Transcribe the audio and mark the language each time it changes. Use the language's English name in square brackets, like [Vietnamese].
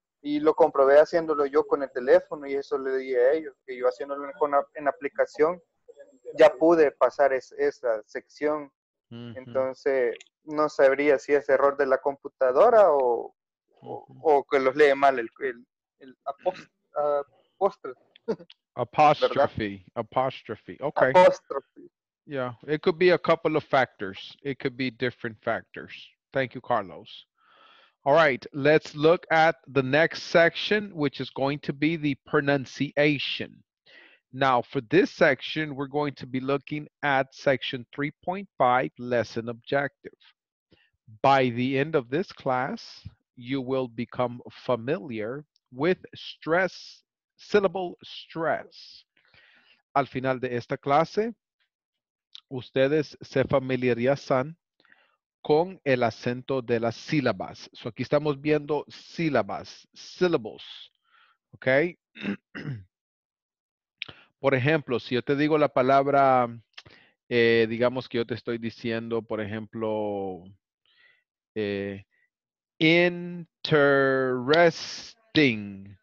[Spanish] Y lo comprobé haciéndolo yo con el teléfono y eso le di a ellos, que yo haciéndolo en aplicación ya pude pasar esa sección. Uh-huh. Entonces, no sabría si es error de la computadora o que los lee mal el apóstrofe. [English] Okay. [Spanish] Apóstrofe. [English] Yeah, it could be a couple of factors. It could be different factors. Thank you, Carlos. All right, let's look at the next section, which is going to be the pronunciation. Now, for this section, we're going to be looking at section 3.5, lesson objective. By the end of this class, you will become familiar with syllable stress. [Spanish] Al final de esta clase, ustedes se familiarizan con el acento de las sílabas. So aquí estamos viendo sílabas, syllables. Okay. Por ejemplo, si yo te digo la palabra, digamos que yo te estoy diciendo, por ejemplo, interesting.